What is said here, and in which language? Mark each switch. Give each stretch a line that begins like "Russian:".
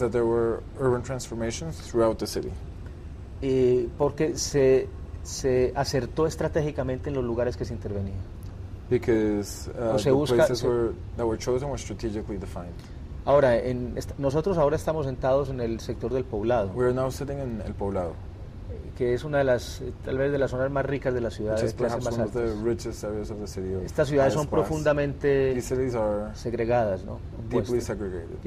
English: Is that there were urban transformations throughout the city.
Spanish: Y porque se acertó estratégicamente en los lugares que se intervenía.
English: Because the places that were chosen were strategically defined.
Spanish: Ahora, nosotros ahora estamos sentados en el sector del Poblado.
English: We are now sitting in El Poblado.
Spanish: Que es una de las, tal vez, de las zonas más ricas de la ciudad, de clases más altas.
English: The richest areas of the city of
Spanish: Estas ciudades son
English: class.
Spanish: Profundamente segregadas, ¿no?
English: Deeply segregated.